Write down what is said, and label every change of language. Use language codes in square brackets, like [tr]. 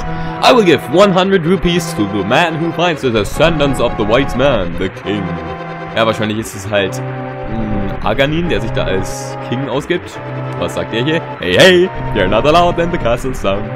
[en] I will give 100 rupees to the man who finds the descendants of the white man, the king. [de] Ja, wahrscheinlich ist es halt Aghanim, der sich da als King ausgibt. Was sagt er hier? [en] Hey, hey, you're not allowed in the castle, son.